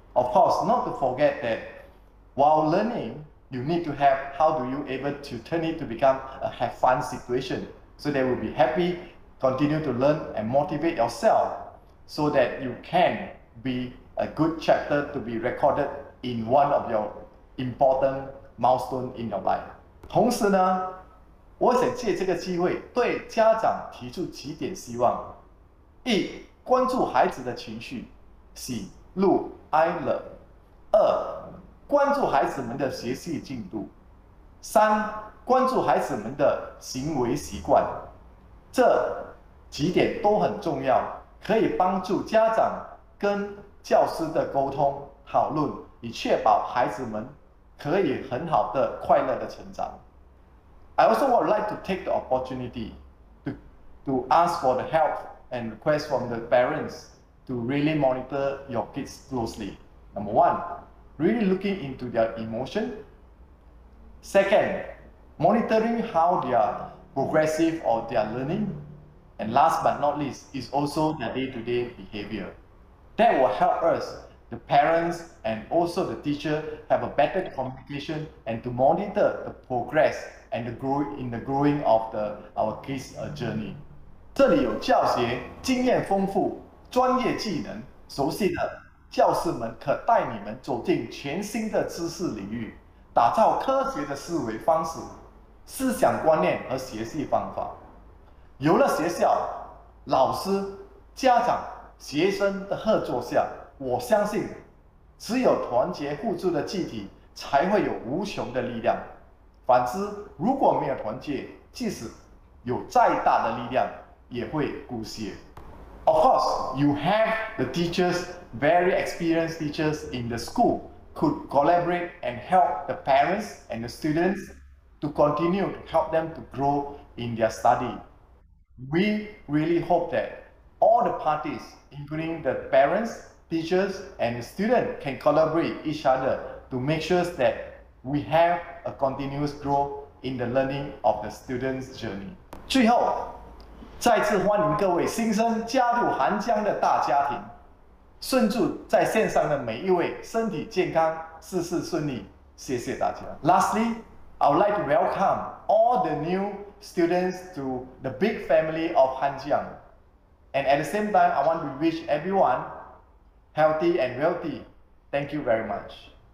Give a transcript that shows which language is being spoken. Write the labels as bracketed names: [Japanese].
[English] Of course, not to forget that while learning, you need to have how do you able to turn it to become a have fun situation so they will be happy, continue to learn and motivate yourself so that you can be a good chapter to be recorded in one of your important milestone in your life. [Chinese] 同时呢，我想借这个机会对家长提出几点希望。一、关注孩子的情绪，喜怒哀乐。二、关注孩子们的学习进度。三、关注孩子们的行为习惯。这几点都很重要，可以帮助家长跟教师的沟通讨论，以确保孩子们可以很好的快乐的成长。 [English] I also would like to take the opportunity to ask for the help and request from the parents to really monitor your kids closely. Number one, really looking into their emotion. Second, monitoring how they are progressive or their learning. And last but not least, is also their day-to-day behavior. That will help us. The parents and also the teacher have a better communication and to monitor the progress and the growing of our kids' journey. [Chinese] 这里有教学经验丰富、专业技能熟悉的教师们，可带你们走进全新的知识领域，打造科学的思维方式、思想观念和学习方法。有了学校、老师、家长、学生的合作下，我相信只有团结互助的集体才会有无穷的力量，反之如果没有团结，即使有再大的力量也会姑息。 [English] Of course, you have the teachers, very experienced teachers in the school could collaborate and help the parents and the students to continue to help them to grow in their study. We really hope that all the parties, including the parents, teachers, and the students, can collaborate with each other to make sure that we have a continuous growth in the learning of the students' journey. [Chinese] 最后，再次欢迎各位新生加入韩江的大家庭。顺祝在线上的每一位身体健康，事事顺利。谢谢大家。 [English] Lastly, I would like to welcome all the new students to the big family of Hanjiang. And at the same time, I want to wish everyone healthy and wealthy. Thank you very much.